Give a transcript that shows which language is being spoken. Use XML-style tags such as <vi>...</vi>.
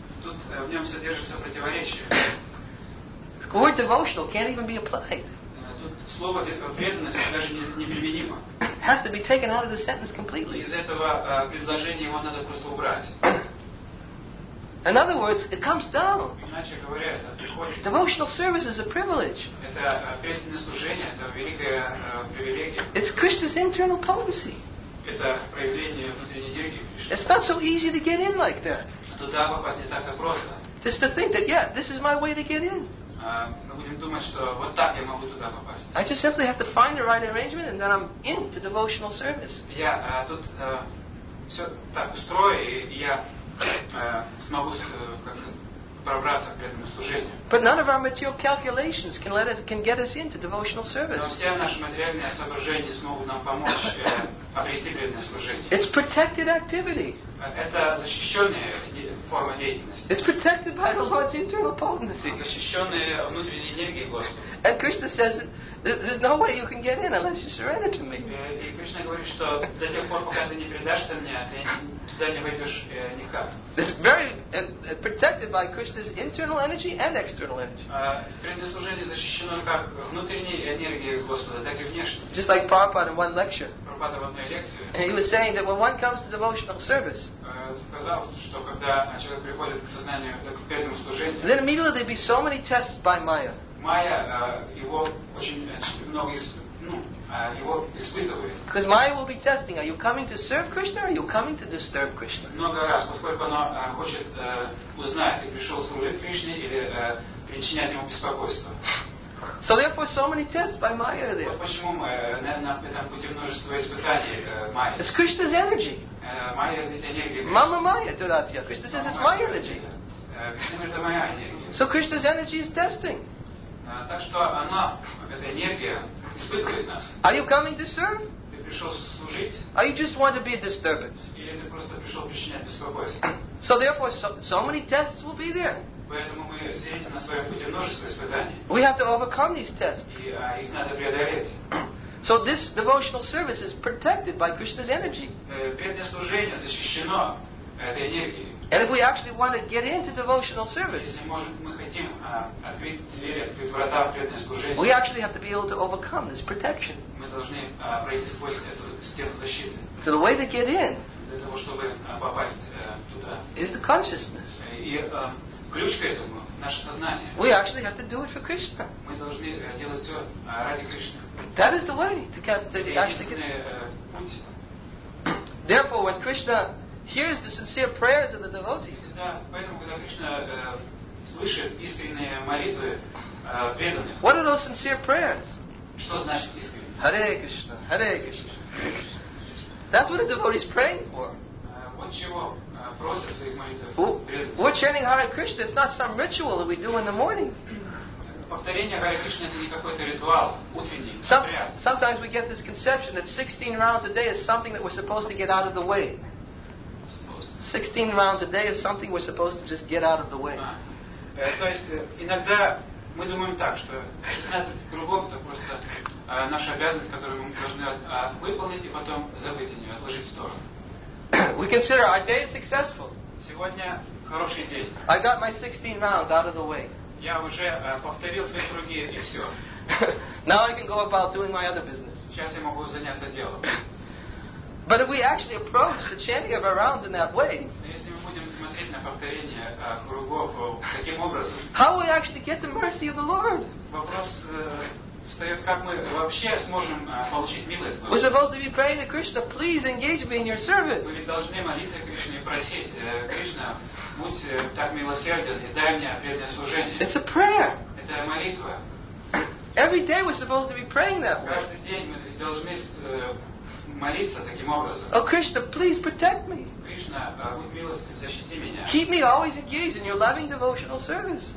<ru>Тут в нем содержится противоречие.</ru> <en>The word devotional can't even be applied.</en> <ru>Тут слово преданность даже неприменимо.</ru> <en>It has to be taken out of the sentence completely.</en> <ru>Из этого предложения его надо просто убрать.</ru> <en>In other words, it comes down.</en> <ru>Иначе говоря, это приходит.</ru> <en>Devotional service is a privilege.</en> <ru>Это преданное служение, это великая привилегия.</ru> <en>It's Krishna's internal potency.</en> <ru>Это проявление внутренней энергии Кришны.</ru> <en>It's not so easy to get in like that.</en> <ru>Туда попасть не так просто.</ru> <en>Just to think that, yeah, this is my way to get in.</en> <ru>Мы будем думать, что вот так я могу туда попасть.</ru> <en>I just simply have to find the right arrangement and then I'm in to devotional service.</en> <ru>Я тут все так устрою, и я смогу пробраться к этому служению.</ru> <en>But none of our material calculations can get us into devotional service.</en> <ru>Но все наши материальные соображения смогут нам помочь обрести преданное служение.</ru> <en>It's protected activity.</en> <ru>Это защищенная форма деятельности.</ru> <en>It's protected by the Lord's internal potency.</en> <ru>Защищенная внутренняя энергия Господа.</ru> <en>And Krishna says, there's no way you can get in unless you surrender to me.</en> <ru>И Кришна говорит, что до тех пор, пока ты не предашься мне, ты туда не войдешь никак.</ru> <en>It's very protected by Krishna's internal energy and external energy.</en> <ru>Преданное служение защищено как внутренней энергией Господа, так и внешней.</ru> <en>Just like Prabhupada in one lecture.</en> <ru>Prabhupada в одной лекции.</ru> <en>And he was saying that when one comes to devotional service,</en> <ru>сказал, что когда человек приходит к сознанию, к преданному служению,</ru> <en>then immediately there'd be so many tests by Maya.</en> <ru>Maya его очень много его испытывает.</ru> <en>Because Maya will be testing, are you coming to serve Krishna or are you coming to disturb Krishna?</en> <ru>Много раз, поскольку она хочет узнать, ты пришел служить Кришне или причинять ему беспокойство.</ru> <en>So therefore, so many tests by Maya are there.</en> <ru>Почему на этом пути множество испытаний Майя?</ru> <en>It's Krishna's energy.</en> <ru>Майя это энергия.</ru> <en>Mama Maya to that, yeah. Krishna says it's my energy.</en> <ru>Krishna это моя энергия.</ru> <en>So Krishna's energy is testing.</en> <ru>Так что она эта энергия испытывает нас.</ru> <en>Are you coming to serve?</en> <ru>Ты пришел служить?</ru> <en>Or you just want to be a disturbance?</en> <ru>Или ты просто пришел причинять беспокойство?</ru> <en>So therefore, so many tests will be there.</en> <ru>Поэтому мы встретим на своем пути множество испытаний.</ru> <en>We have to overcome these tests.</en> <ru>И их надо преодолеть.</ru> <en>So this devotional service is protected by Krishna's energy.</en> <ru>Преданное служение защищено этой энергией.</ru> <en>And if we actually want to get into devotional service,</en> <ru>если, может, мы хотим, открыть двери, открыть врата в преданное служение,</ru> <en>we actually have to be able to overcome this protection.</en> <ru>Мы должны, пройти сквозь эту стену защиты.</ru> <en>So the way to get in</en> <ru>для того, чтобы, попасть, туда,</ru> <en>is the consciousness.</en> <ru>И, ключ к этому, наше сознание.</ru> <en>We actually have to do it for Krishna.</en> <ru>Мы должны делать все ради Кришны.</ru> <en>That is the way to get to actually get. Therefore, when Krishna hears the sincere prayers of the devotees,</en> <ru>поэтому когда Кришна слышит искренние молитвы преданных,</ru> <en>what are those sincere prayers?</en> <ru>Что значит искренне?</ru> <en>Hare Krishna, Hare Krishna. That's what a devotee is praying for.</en> <ru>Вот чего.</ru> <en>We're chanting Hare Krishna. It's not some ritual that we do in the morning.</en> <ru>Повторение Hare Krishna это не какой-то ритуал утренний.</ru> <en>Sometimes we get this conception that 16 rounds a day is something that we're supposed to get out of the way. 16 rounds a day is something we're supposed to just get out of the way.</en> <ru>То есть иногда мы думаем так, что 16 кругов это просто наша обязанность, которую мы должны выполнить и потом забыть о ней, отложить в сторону.</ru> <en>We consider our day successful.</en> <ru>Сегодня хороший день.</ru> <en>I got my 16 rounds out of the way.</en> <ru>Я уже повторил свои круги и все.</ru> <en>Now I can go about doing my other business.</en> <ru>Сейчас я могу заняться делом.</ru> <en>But if we actually approach the chanting of our rounds in that way,</en> <ru>если мы будем смотреть на повторение кругов таким образом,</ru> <en>how will we actually get the mercy of the Lord?</en> <ru>Вопрос встает, как мы вообще сможем получить милость Божью.</ru> <en>We're supposed to be praying to Krishna, please engage me in your service.</en> <ru>Мы должны молиться Кришне и просить, Кришна, будь так милосерден и дай мне преданное служение.</ru> <en>It's a prayer.</en> <ru>Это молитва.</ru> <en>Every day we're supposed to be praying that.</en> <ru>Каждый день мы должны молиться таким образом.</ru> <en>Oh, Krishna, please protect me.</en> <ru>Кришна, будь милостив, защити меня.</ru> <en>Keep me always engaged in your loving devotional service.</en>